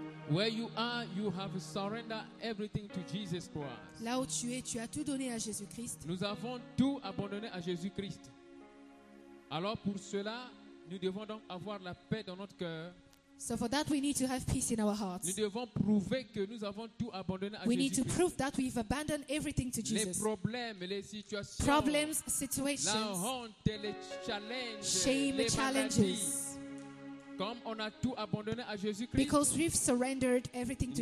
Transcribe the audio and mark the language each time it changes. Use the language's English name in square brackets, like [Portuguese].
[English] Where you are, you have surrendered everything to Jesus Christ. [French] Là où tu as tout donné à Jésus Christ. Nous avons tout abandonné à Jésus Christ. Alors pour cela, nous devons donc avoir la paix dans notre cœur. [English] So for that we need to have peace in our hearts. [French] Nous devons prouver que nous avons tout abandonné à Jésus. [English] We need to prove that we've abandoned everything to Jesus. [French] Les problèmes, les situations. [English] Problems, situations. [French] La honte, les challenges. [English] Shame, [French] les challenges. Comme on a tout abandonné à Jésus Christ. [English] Because we've surrendered everything to